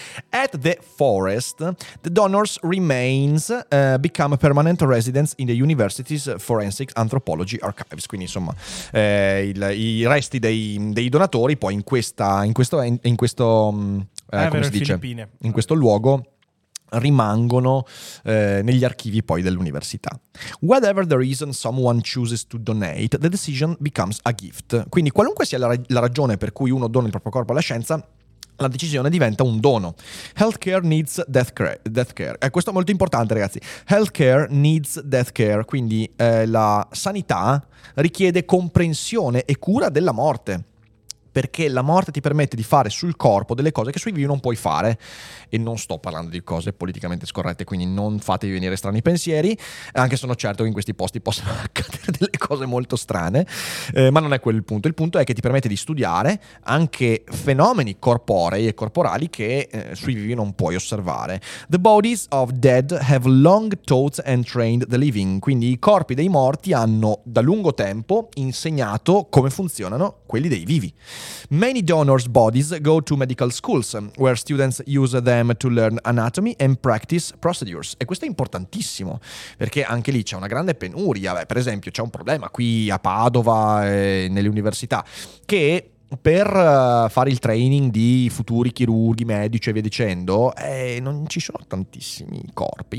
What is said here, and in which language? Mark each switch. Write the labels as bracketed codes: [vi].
[en] At the forest, the donor's remains become a permanent residence in the university's forensic anthropology archives. [it] Quindi, insomma, i resti dei donatori poi in questo luogo rimangono negli archivi poi dell'università. [en] Whatever the reason someone chooses to donate, the decision becomes a gift. [it] Quindi qualunque sia la ragione per cui uno dona il proprio corpo alla scienza, la decisione diventa un dono. [en] Healthcare needs death care. [it] Questo è molto importante, ragazzi. [en] Healthcare needs death care. [it] Quindi la sanità richiede comprensione e cura della morte, perché la morte ti permette di fare sul corpo delle cose che sui vivi non puoi fare. E non sto parlando di cose politicamente scorrette, quindi non fatevi venire strani pensieri, anche se sono certo che in questi posti possano accadere delle cose molto strane, ma non è quel il punto. Il punto è che ti permette di studiare anche fenomeni corporei e corporali che sui vivi non puoi osservare. [en] The bodies of dead have long taught and trained the living. [it] Quindi i corpi dei morti hanno da lungo tempo insegnato come funzionano quelli dei vivi. [en] Many donors' bodies go to medical schools where students use them to learn anatomy and practice procedures. [it] E questo è importantissimo, perché anche lì c'è una grande penuria. Beh, per esempio, c'è un problema qui a Padova e nelle università, che per fare il training di futuri chirurghi, medici e via dicendo, non ci sono tantissimi corpi.